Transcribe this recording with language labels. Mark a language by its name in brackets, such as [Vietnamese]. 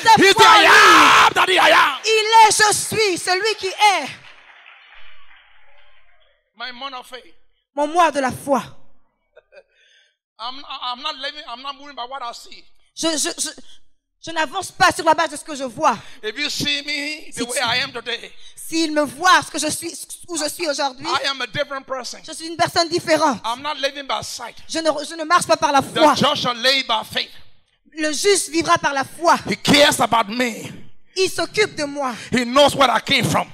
[English] He's the I am that I am. [French] Il est, je suis, celui qui est. [English] My man of faith. [French] Mon moi de la foi. [English] I'm not moving by what I see. [French] Je n'avance pas sur la base de ce que je vois. [English] If you see me the way I am today. [French] S'il me voit ce que je suis, où je suis aujourd'hui, [English] I am a different person. [French] Je suis une personne différente. [English] I'm not living by sight. [French] Je ne marche pas par la foi. [English] The just shall live by faith. [French] Le juste vivra par la foi. [English] He cares about me. [French] Il s'occupe de moi. [English] He knows where I came from.